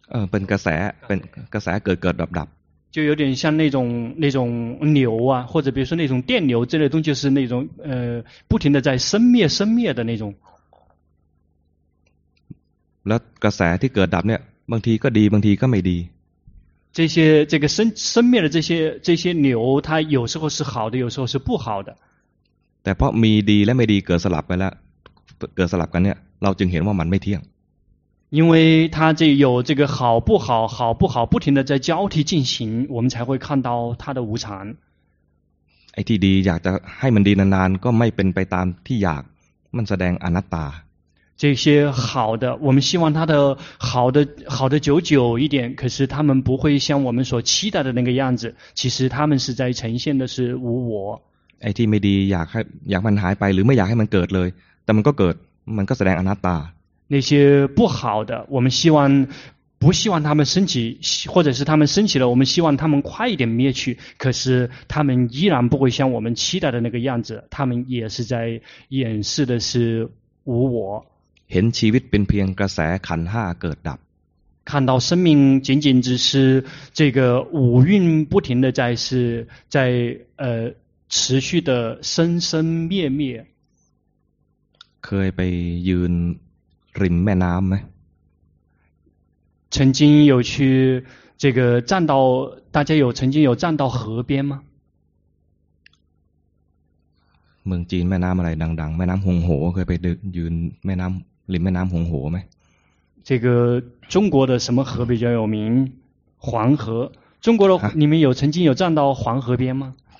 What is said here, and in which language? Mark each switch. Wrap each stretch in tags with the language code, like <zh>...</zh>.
<th>เป็นกระแสเป็นกระแสเกิดดับดับ</th> <zh>就有点像那种牛啊或者比如说那种电流这类东西就是那种不停的在生灭的那种</zh> <th>แล้วกระแสที่เกิดดับเนี่ยบางทีก็ดีบางทีก็ไม่ดี</th> <zh>这些这个生灭的这些牛它有时候是好的有时候是不好的</zh> <th>แต่เพราะมีดีและไม่ดีเกิดสลับไปแล้วเกิดสลับกันเนี่ยเราจึงเห็นว่ามันไม่เที่ยง</th> <zh>因为它这有这个好不好好不好不停的在交替进行我们才会看到它的无常</zh> <th>ไอ้ที่ดีอยากจะให้มันดีนานๆก็ไม่เป็นไปตามที่อยากมันแสดงอนัตตา</th> <zh>这些好的我们希望它的好的久久一点可是他们不会像我们所期待的那个样子其实他们是在呈现的是无我</zh> <th>ไอ้ที่ไม่ดีอยากมันหายไปหรือไม่อยากให้มันเกิดเลยแต่มันก็เกิดมันก็แสดงอนัตตา</th> <zh>那些不好的我们不希望他们升起或者是他们升起了我们希望他们快一点灭去可是他们依然不会像我们期待的那个样子他们也是在掩饰的是无我</zh> <th>เห็นชีวิตเป็นเพียงกระแสขันห้าเกิดดับ</th> <zh>看到生命仅仅只是这个五蕴不停的在持续的生生灭灭</zh> <th>เคยไปยืนริมแม่น้ำไหม</th> <zh>曾经有去这个站到大家有曾经有站到河边吗</zh> <th>เมืองจีนแม่น้ำอะไรดังๆแม่น้ำฮงโหเคยไปยืนแม่น้ำริมแม่น้ำหงหัวไหม</th> <zh>这个中国的什么河比较有名黄河中国的你们有曾经有站到黄河边吗</zh>